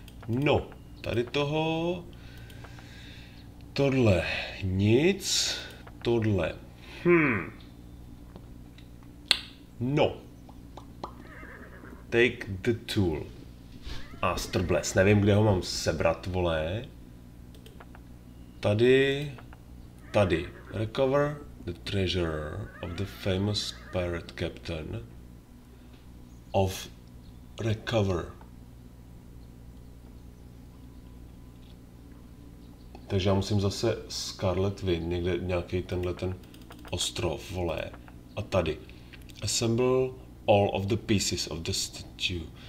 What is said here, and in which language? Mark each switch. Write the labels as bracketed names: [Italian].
[Czech] No, tady toho. Tohle nic. Tohle. [English] No. Take the tool. [Czech] Masterbless, nevím, kde ho mám sebrat, vole. Tady. Tady. [English] Recover the treasure of the famous pirate captain. Of recover. [Czech] Takže já musím zase Scarlet Wind, někde nějaký tenhle ten ostrov, vole. A tady. [English] Assemble all of the pieces of the statue.